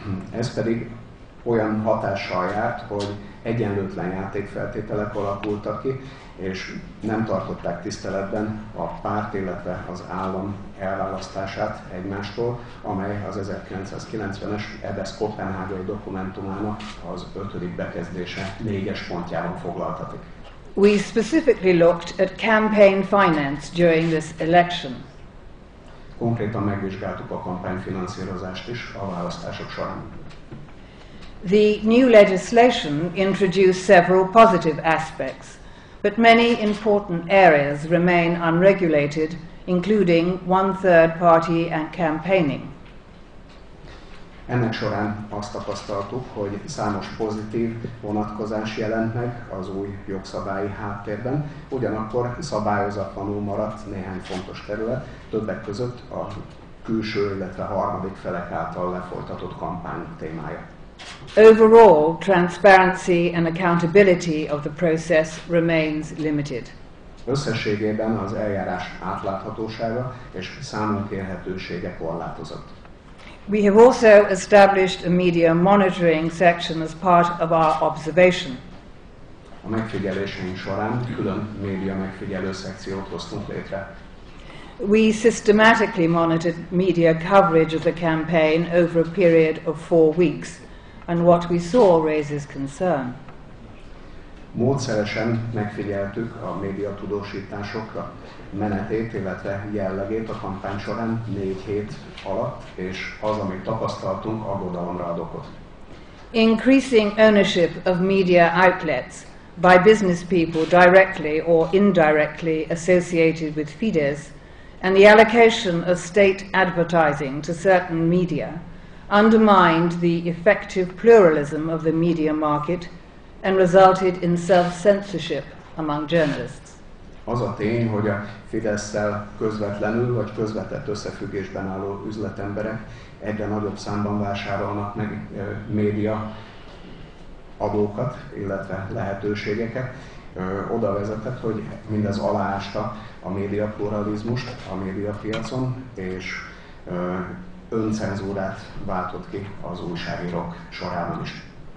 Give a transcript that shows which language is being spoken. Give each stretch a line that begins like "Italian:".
Hungarian: Ez pedig olyan hatással járt, hogy egyenlőtlen játékfeltételek alakultak ki, és nem tartották tiszteletben a párt, illetve az állam elválasztását egymástól, amely az 1990-es Ebesz-Kopenhágai dokumentumának az ötödik bekezdése négyes pontjában foglaltatik.
English: We specifically looked at campaign finance during this election.
Hungarian: Konkrétan megvizsgáltuk a kampányfinanszírozást is a választások során.
English: The new legislation introduced several positive aspects, but many important areas remain unregulated, including one-third party and campaigning.
Hungarian: Ennek során azt tapasztaltuk, hogy számos pozitív vonatkozás jelent meg az új jogszabályi háttérben, ugyanakkor szabályozatlanul maradt néhány fontos terület, többek között a külső, illetve harmadik felek által lefolytatott kampány témája.
English: Overall, transparency and accountability of the process remains limited.
Hungarian: Összességében az eljárás átláthatósága és számonkérhetősége korlátozott.
English: We have also established a media monitoring section as part of our observation.
Hungarian: A megfigyeléseink során külön média megfigyelő szekciót hoztunk létre.
English: We systematically monitored media coverage of the campaign over a period of 4 weeks, and what we saw raises concern.
Hungarian: Módszeresen megfigyeltük a média tudósításokra menetét, illetve jellegét a kampány során 4 hét alatt, és az, amit tapasztaltunk, aggodalomra ad okot.
English: Increasing ownership of media outlets by business people directly or indirectly associated with Fidesz and the allocation of state advertising to certain media undermined the effective pluralism of the media market and resulted in self-censorship among journalists.
Hungarian: Az a tény, hogy a Fidesz-szel közvetlenül vagy közvetett összefüggésben álló üzletemberek egyre nagyobb számban vásárolnak meg média adókat, illetve lehetőségeket, oda vezetett, hogy mindez aláásta a média pluralizmust a médiapiacon, és öncenzúrát váltott ki az újságírók sorában is.